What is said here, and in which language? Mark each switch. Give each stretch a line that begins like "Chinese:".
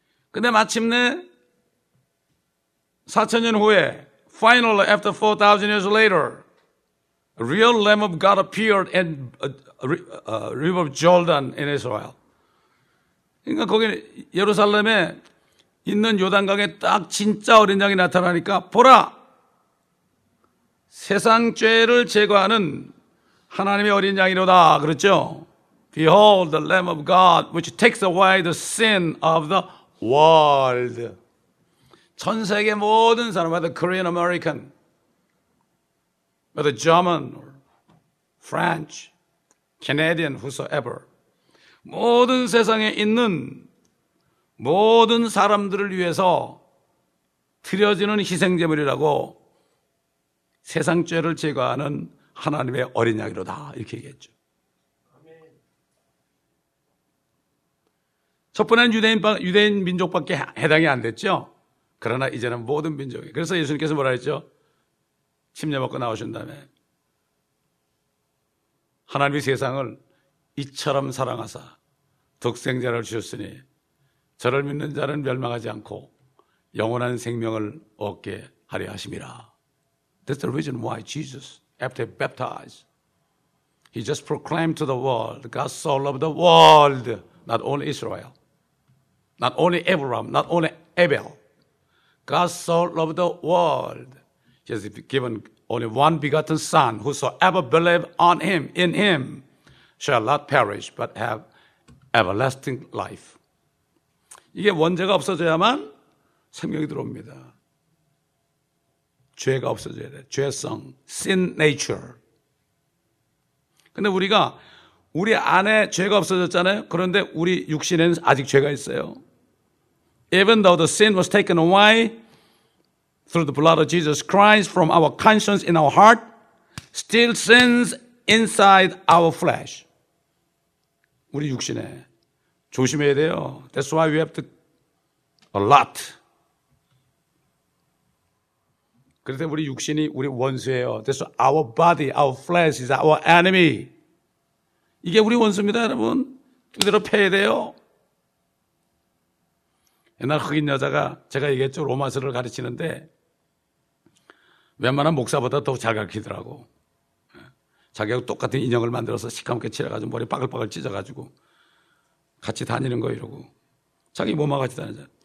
Korean: 근데 마침내 4000년 후에
English: finally after 4000 years later A real Lamb of God appeared in a river of Jordan in Israel.
Korean: 그러니까 거기 예루살렘에 있는 요단강에 딱 진짜 어린 양이 나타나니까 보라! 세상 죄를 제거하는 하나님의 어린 양이로다. 그렇죠?
English: Behold the Lamb of God which takes away the sin of the world.
Korean: 전 세계 모든 사람,
English: whether Korean American, whether German, or French, Canadian, whosoever.
Korean: 모든 세상에 있는 모든 사람들을 위해서 드려지는 희생제물이라고 세상 죄를 제거하는 하나님의 어린 양이로다. 이렇게 얘기했죠. 첫 번에는 유대인 민족밖에 해당이 안 됐죠. 그러나 이제는 모든 민족이. 그래서 예수님께서 뭐라 했죠? 침례 먹고 나오신 다음에 하나님이 세상을 이처럼 사랑하사 독생자를 주셨으니 저를 믿는 자는 멸망하지 않고 영원한 생명을 얻게 하려 하심이라.
English: That's the reason why Jesus, after baptized, he just proclaimed to the world, God so loved the world, not only Israel, not only Abraham, not only Abel. God so loved the world. He has given only one begotten son, whosoever believes on him, in him, shall not perish, but have everlasting life.
Korean: 이게 원죄가 없어져야만 생명이 들어옵니다. 죄가 없어져야 돼. 죄성,
English: sin nature.
Korean: 근데 우리가, 우리 안에 죄가 없어졌잖아요. 그런데 우리 육신에는 아직 죄가 있어요.
English: Even though the sin was taken away, through the blood of Jesus Christ from our conscience in our heart still sins inside our flesh.
Korean: 우리 육신에 조심해야 돼요.
English: That's why we have to a lot.
Korean: 그래서 우리 육신이 우리 원수예요.
English: That's our body, our flesh is our enemy.
Korean: 이게 우리 원수입니다, 여러분. 그대로 패야 돼요. 옛날 흑인 여자가 제가 얘기했죠. 로마서를 가르치는데 웬만한 목사보다 더 잘 가르치더라고. 자기하고 똑같은 인형을 만들어서 시커멓게 칠해가지고 머리 빠글빠글 찢어가지고 같이 다니는 거 이러고 자기 몸하고 같이 다니자.